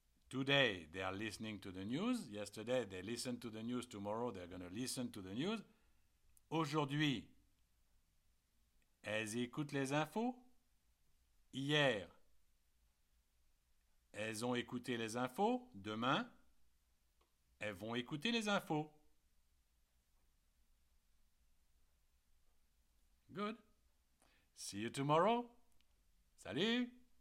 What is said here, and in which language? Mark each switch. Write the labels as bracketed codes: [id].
[en] Today, they are listening to the news. Yesterday, they listened to the news. Tomorrow, they're going to listen to the news. [fr] Aujourd'hui, elles écoutent les infos. Hier, elles ont écouté les infos. Demain, elles vont écouter les infos. [en] Good. See you tomorrow. Salut!